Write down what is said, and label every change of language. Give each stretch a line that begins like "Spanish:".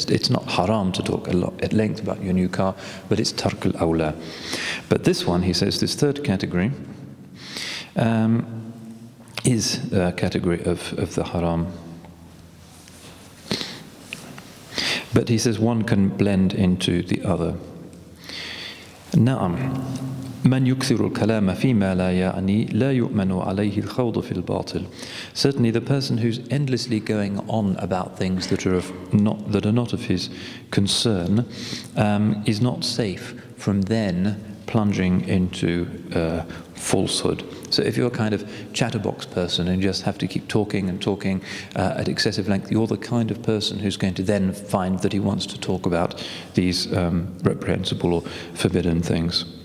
English: It's not haram to talk a lot at length about your new car, but it's tarkul awla. But this one, he says, this third category, is a category of the haram. But he says one can blend into the other.
Arabic: Na'am. من يكثر الكلام فيما لا يعني لا يؤمن عليه الخوض في الباطل.
English: Certainly the person who's endlessly going on about things that are not of his concern is not safe from then plunging into falsehood. So if you're a kind of chatterbox person and just have to keep talking and talking at excessive length, you're the kind of person who's going to then find that he wants to talk about these reprehensible or forbidden things.